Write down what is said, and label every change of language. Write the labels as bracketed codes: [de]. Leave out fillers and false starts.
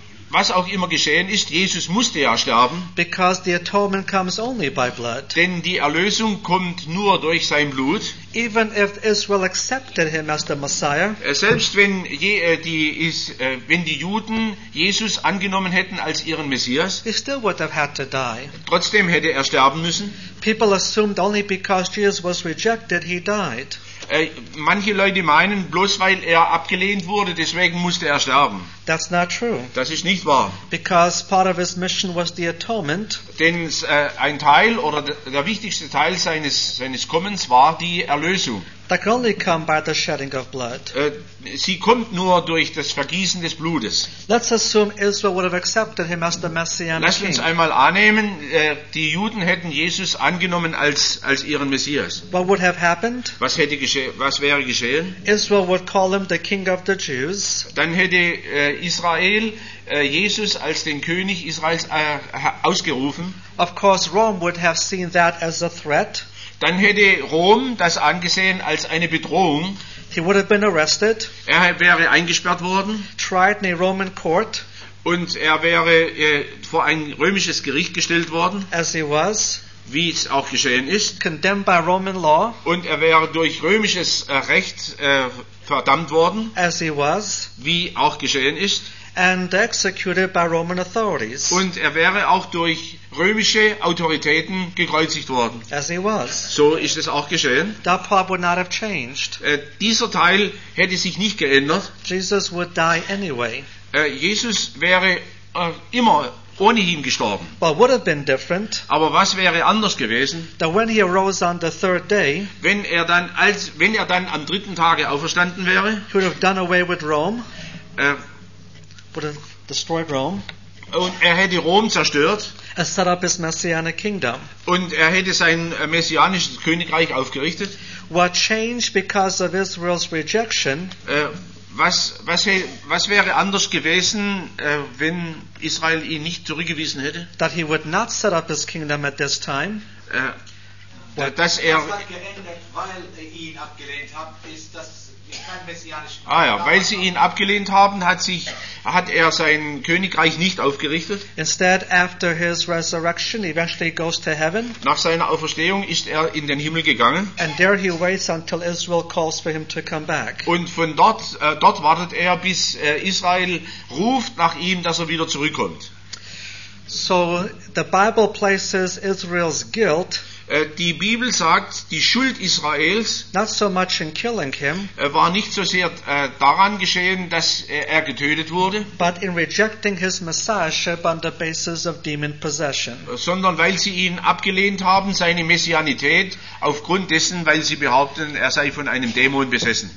[de] Was auch immer geschehen ist, Jesus musste ja sterben. [en] Because the atonement comes only by blood. [de] Denn die Erlösung kommt nur durch sein Blut. [en] Even if Israel accepted him as the Messiah. [de] Selbst wenn die Juden Jesus angenommen hätten als ihren Messias, [en] he still would have had to die. [de] Trotzdem hätte sterben müssen. [en] People assumed only because Jesus was rejected, he died. [de] Manche Leute meinen, bloß weil abgelehnt wurde, deswegen musste sterben. [en] That's not true. [de] Das ist nicht wahr. [en] Because part of his mission was the atonement. [de] Denn ein Teil oder der wichtigste Teil seines Kommens war die Erlösung. [en] That can only come by the shedding of blood. [de] Sie kommt nur durch das Vergießen des Blutes. [en] Let's assume Israel would have accepted him as the Messianic [de] King. Lass uns einmal annehmen, die Juden hätten Jesus angenommen als ihren Messias. [en] What would have happened? [de] Was wäre geschehen? [en] Israel would call him the King of the Jews. [de] Dann hätte Israel Jesus als den König Israels ausgerufen. [en] Of course, Rome would have seen that as a threat. [de] Dann hätte Rom das angesehen als eine Bedrohung. [en] He would have been arrested. [de] Er wäre eingesperrt worden. [en] Tried in a Roman court. [de] Und er wäre vor ein römisches Gericht gestellt worden. [en] As he was. [de] Wie es auch geschehen ist. [en] Condemned by Roman law. [de] Und er wäre durch römisches Recht verdammt worden. [en] As he was. [de] Wie auch geschehen ist. [en] And executed by Roman authorities. [de] Und wäre auch durch römische Autoritäten gekreuzigt worden. [en] As he was. [de] So ist es auch geschehen. [en] That part would not have changed. [de] Dieser Teil hätte sich nicht geändert. [en] Jesus would die anyway. [de] Jesus wäre immer ohne ihn gestorben. [en] But would have been different. [de] Aber was wäre anders gewesen? [en] That when he arose on the third day, [de] wenn er dann am dritten Tage auferstanden wäre, [en] he would have done away with Rome. Would have destroyed Rome. [de] Und er hätte Rom zerstört. [en] And set up his messianic kingdom. [de] Und er hätte sein messianisches Königreich aufgerichtet. [en] What changed because of Israel's rejection? [de] Was wäre anders gewesen, wenn Israel ihn nicht zurückgewiesen hätte? [en] That he would not set up his kingdom at this time. [de] Dass er weil sie ihn abgelehnt haben, hat er sein Königreich nicht aufgerichtet. [en] Instead, after his resurrection, eventually goes to heaven. [de] Nach seiner Auferstehung ist er in den Himmel gegangen. [en] And there he waits until Israel calls for him to come back. [de] Und von dort wartet er, bis Israel ruft nach ihm, dass er wieder zurückkommt. [en] So the Bible places Israel's guilt. [de] Die Bibel sagt, die Schuld Israels [en] not so much in killing him, [de] war nicht so sehr daran geschehen, dass er getötet wurde, [en] but in rejecting his messiahship on the basis of demon possession. [de] Sondern weil sie ihn abgelehnt haben, seine Messianität, aufgrund dessen, weil sie behaupten, er sei von einem Dämon besessen.